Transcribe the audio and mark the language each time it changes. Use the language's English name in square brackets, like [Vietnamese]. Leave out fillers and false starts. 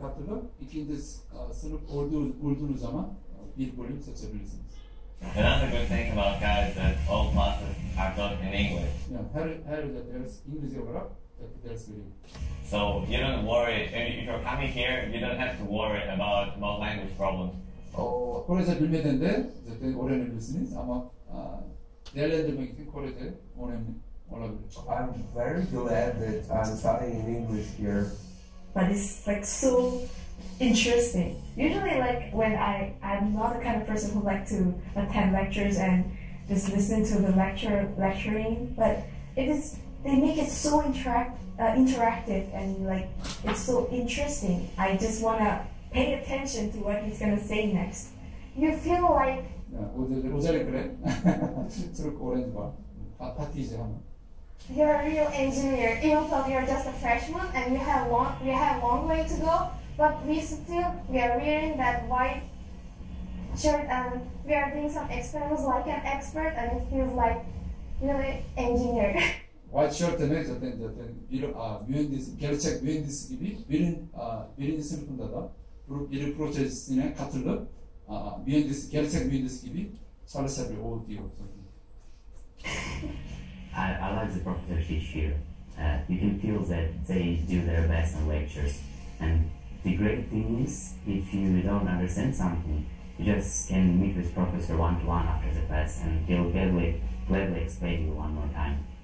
[Turkish] katılıp ikinci sınıf olduğunuz zaman bir bölüm seçebilirsiniz. [English] Another good thing about Kaiser is that all classes are taught in English. [Turkish] Yeah, her de ders İngilizce olarak. [English] So you don't worry, and if you're coming here, you don't have to worry about language problems. [Turkish] Kore'de bilmeden de zaten öğrenebilirsiniz ama değerlendirmek için Kore'de önemli olabilir. [English] I'm very glad that I'm studying in English here. But it's like so interesting. Usually like when I'm not the kind of person who like to attend lectures and just listen to the lecturing, but it is they make it so interactive and like it's so interesting. I just want to pay attention to what he's going to say next. You feel like you're a real engineer. Even though you're just a freshman and you have a long way to go, but we are wearing that white shirt and we are doing some experiments like an expert, and it feels like really engineer. [Turkish] White shirt demek zaten bir mühendis, gerçek mühendis gibi birinci sınıfında da bir projesine katılıp mühendis, gerçek mühendis gibi çalışabiliyor diyor. [English] I like the professorship here. You can feel that they do their best in lectures. And the great thing is, if you don't understand something, you just can meet with professor one-to-one after the class and he'll gladly explain you one more time.